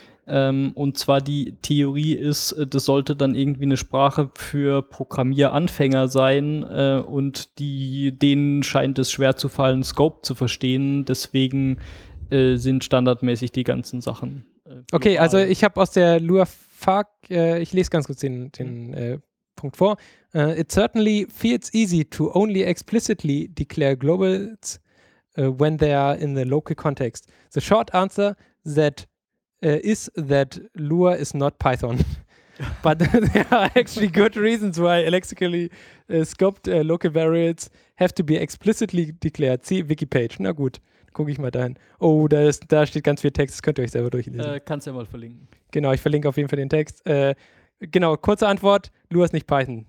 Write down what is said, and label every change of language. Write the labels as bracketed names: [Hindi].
[German] Und zwar die Theorie ist, das sollte dann irgendwie eine Sprache für Programmieranfänger sein und denen scheint es schwer zu fallen, Scope zu verstehen. Deswegen sind standardmäßig die ganzen Sachen. Okay, also ich habe aus der Lua-Fuck, ich lese ganz kurz den Punkt vor. [English] It certainly feels easy to only explicitly declare globals when they are in the local context. The short answer is that Lua is not Python. But there are actually good reasons why lexically scoped local variables have to be explicitly declared. See Wikipage. [German] Na gut. Gucke ich mal dahin. Oh, da steht ganz viel Text, das könnt ihr euch selber durchlesen. Kannst ja mal verlinken. Genau, ich verlinke auf jeden Fall den Text. Genau, kurze Antwort, Lua ist nicht Python.